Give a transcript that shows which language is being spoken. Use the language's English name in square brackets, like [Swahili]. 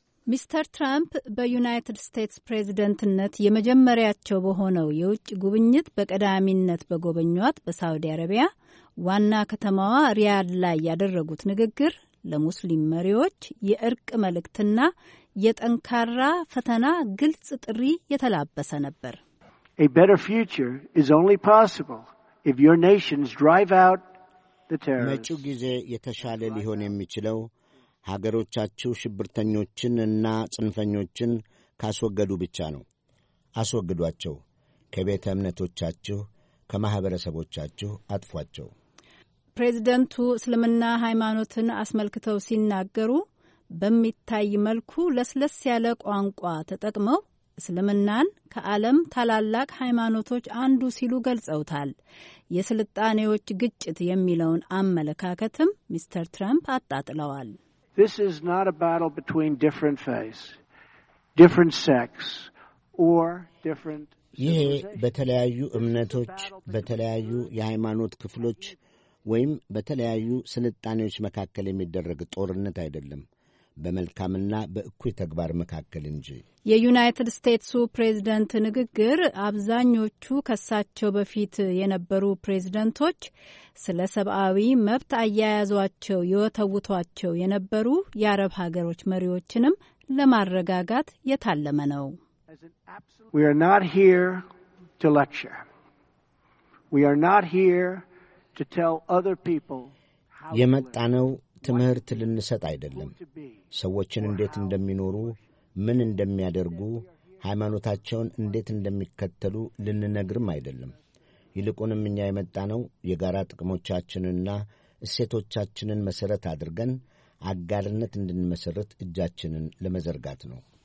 [Amharic] ሚስተር ትራምፕ በዩናይትድ ስቴትስ ፕሬዝደንትነት የመጀመሪያቸው በሆነው የውጭ ጉብኝት በቀዳሚነት በጎበኟት በሳውዲ አረቢያ ዋና ከተማዋ ሪያድ ላይ ያደረጉት ንግግር ለሙስሊም መሪዎች የእርቅ መልእክትና የጠንካራ ፈተና ግልጽ ጥሪ የተላበሰ ነበር። [English] A better future is only possible if your nations drive out the terrorists. [Amharic] መጪው ጊዜ የተሻለ ሊሆን የሚችለው ሀገሮቻችሁ ሽብርተኞችን እና ጽንፈኞችን ካስወገዱ ብቻ ነው። አስወግዷቸው። ከቤተ እምነቶቻችሁ፣ ከማኅበረሰቦቻችሁ አጥፏቸው። ፕሬዚደንቱ እስልምና ሃይማኖትን አስመልክተው ሲናገሩ በሚታይ መልኩ ለስለስ ያለ ቋንቋ ተጠቅመው እስልምናን ከዓለም ታላላቅ ሃይማኖቶች አንዱ ሲሉ ገልጸውታል። የስልጣኔዎች ግጭት የሚለውን አመለካከትም ሚስተር ትራምፕ አጣጥለዋል። [English] This is not a battle between different faiths, different sects, or different civilizations. [Amharic] ይሄ በተለያዩ እምነቶች፣ በተለያዩ የሃይማኖት ክፍሎች ወይም በተለያዩ ስልጣኔዎች መካከል የሚደረግ ጦርነት አይደለም፣ በመልካምና በእኩይ ተግባር መካከል እንጂ። የዩናይትድ ስቴትሱ ፕሬዝደንት ንግግር አብዛኞቹ ከሳቸው በፊት የነበሩ ፕሬዝደንቶች ስለ ሰብአዊ መብት አያያዟቸው የወተውቷቸው የነበሩ የአረብ ሀገሮች መሪዎችንም ለማረጋጋት የታለመ ነው። [English] We are not here to lecture. We are not here to tell other people how [Amharic] የመጣነው ትምህርት ልንሰጥ አይደለም። ሰዎችን እንዴት እንደሚኖሩ፣ ምን እንደሚያደርጉ፣ ሃይማኖታቸውን እንዴት እንደሚከተሉ ልንነግርም አይደለም። ይልቁንም እኛ የመጣነው የጋራ ጥቅሞቻችንና እሴቶቻችንን መሰረት አድርገን አጋርነት እንድንመሰረት እጃችንን ለመዘርጋት ነው።